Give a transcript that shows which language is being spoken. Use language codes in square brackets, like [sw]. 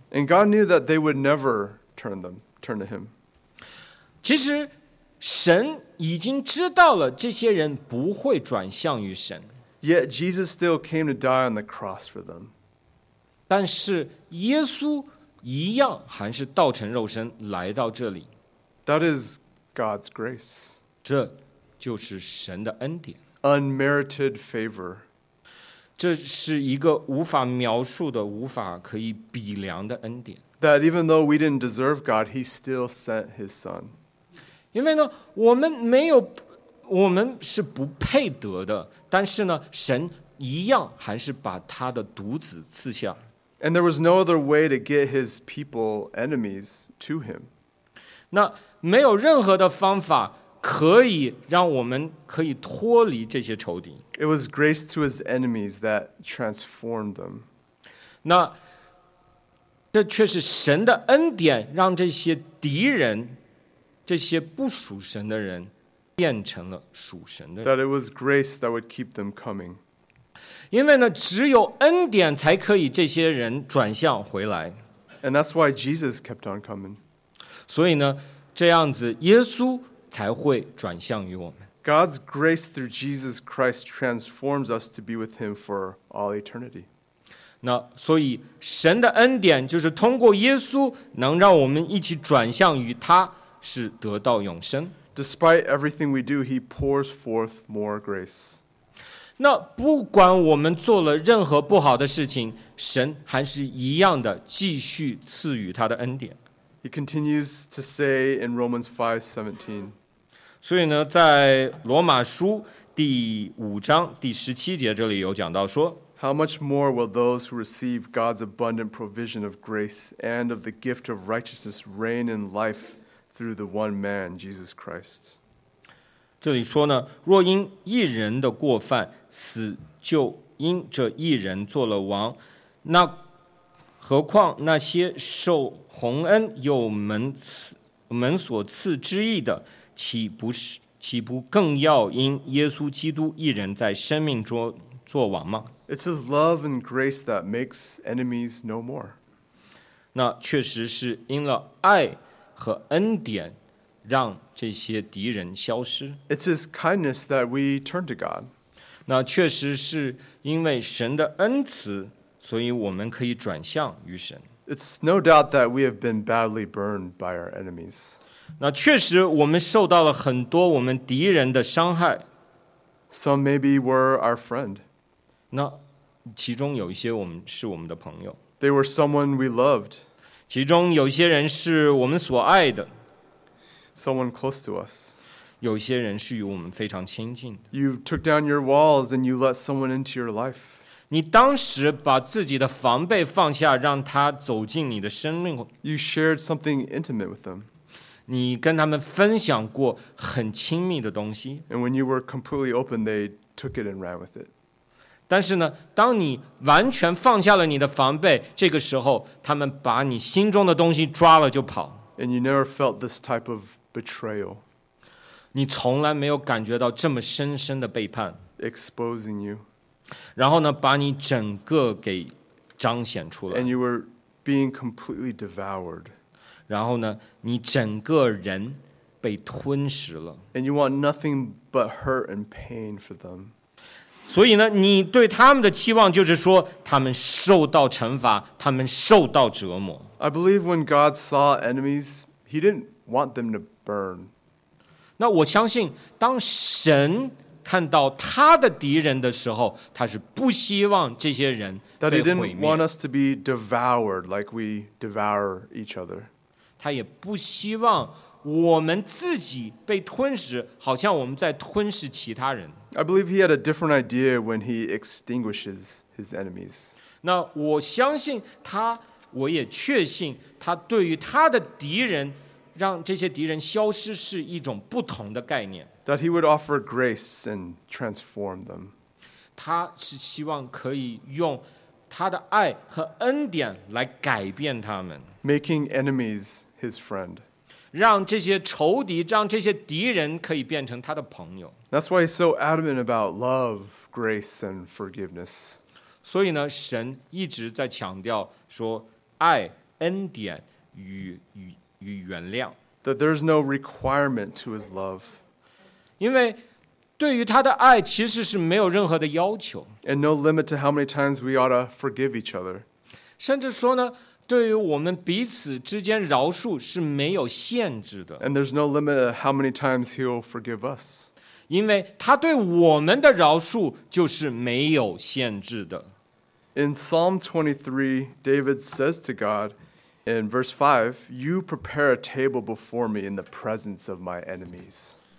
[en] And God knew that they would never turn to him. [zh] 其实神已经知道了这些人不会转向于神。 [en] Yet Jesus still came to die on the cross for them. [zh] 但是耶稣一样还是道成肉身来到这里。 [en] That is God's grace. [zh] 这就是神的恩典。 [en] Unmerited favor. [zh] 这是一个无法描述的，无法可以比量的恩典。 [en] That even though we didn't deserve God, He still sent His Son. [zh] 因为呢，我们没有，我们是不配得的，但是呢，神一样还是把他的独子赐下。 [en] And there was no other way to get His people enemies to Him. [zh] 那没有任何的方法。可以让我们可以脱离这些仇敌。 [en] It was grace to his enemies that transformed them. [zh] 那这却是神的恩典，让这些敌人，这些不属神的人，变成了属神的人。 [en] That it was grace that would keep them coming. [zh] 因为呢，只有恩典才可以这些人转向回来。 [en] And that's why Jesus kept on coming. [zh] 所以呢，这样子耶稣。才会转向于我们。 [en] God's grace through Jesus Christ transforms us to be with Him for all eternity. [zh] 那所以神的恩典就是通过耶稣能让我们一起转向于他，是得到永生。 [en] Despite everything we do, He pours forth more grace. [zh] 那不管我们做了任何不好的事情，神还是一样的继续赐予他的恩典。 [en] He continues to say in Romans 5:17. [zh] 所以呢，在罗马书第五章第十七节这里有讲到说， [en] How much more will those who receive God's abundant provision of grace and of the gift of righteousness reign in life through the one man, Jesus Christ? [zh] 这里说呢，若因一人的过犯死，就因这一人做了王，那何况那些受洪恩又门所赐之义的，岂不更要因耶稣基督一人在生命中作王吗？ [en] It's his love and grace that makes enemies no more. [zh] 那确实是因了爱和恩典让这些敌人消失。 [en] It's his kindness that we turn to God. [zh] 那确实是因为神的恩慈，所以我们可以转向于神。 [en] It's no doubt that we have been badly burned by our enemies. [zh] 那确实我们受到了很多我们敌人的伤害。 [en] Some maybe were our friend. [zh] 那其中有一些我们是我们的朋友。 [en] They were someone we loved. [zh] 其中有些人是我们所爱的。 [en] Someone close to us. [zh] 有些人是与我们非常亲近的。 [en] You took down your walls and you let someone into your life. [zh] 你当时把自己的防备放下，让他走进你的生命。 [en] You shared something intimate with them. [zh] 你跟他们分享过很亲密的东西。 [en] And when you were completely open, they took it and ran with it. [zh] 但是呢，当你完全放下了你的防备，这个时候，他们把你心中的东西抓了就跑。 [en] And you never felt this type of betrayal. [zh] 你从来没有感觉到这么深深的背叛。 [en] Exposing you. [zh] 然后呢，把你整个给彰显出来。 [en] And you were being completely devoured. [zh] 然后呢，你整个人被吞噬了。 [en] And you want nothing but hurt and pain for them. [zh] 所以呢，你对他们的期望就是说，他们受到惩罚，他们受到折磨。 [en] I believe when God saw enemies, he didn't want them to burn. [zh] 那我相信，当神看到他的敌人的时候，他是不希望这些人被毁灭。 [en] That he didn't want us to be devoured like we devour each other. [zh] 他也不希望我们自己被吞噬，好像我们在吞噬其他人。 [en] I believe he had a different idea when he extinguishes his enemies. [zh] 那我相信他，我也确信他对于他的敌人，让这些敌人消失是一种不同的概念。 [en] That he would offer grace and transform them. [zh] 他是希望可以用他的爱和恩典来改变他们。 [en] Making enemies his friend. [zh] 让这些仇敌，让这些敌人可以变成他的朋友。 [en] That's why he's so adamant about love, grace, and forgiveness. [zh] 所以呢，神一直在强调说爱、恩典与原谅。 [en] That there's no requirement to his love. [zh] 因为对于他的爱其实是没有任何的要求。 [en] And no limit to how many times we ought to forgive each other. [zh] 甚至说呢，对于我们彼此之间饶恕是没有限制的。 [en] And there's no limit to how many times he'll forgive us. [zh] 因为他对我们的饶恕就是没有限制的。 [en] In Psalm 23, David says to God, in verse 5, You prepare a table before me in the presence of my enemies.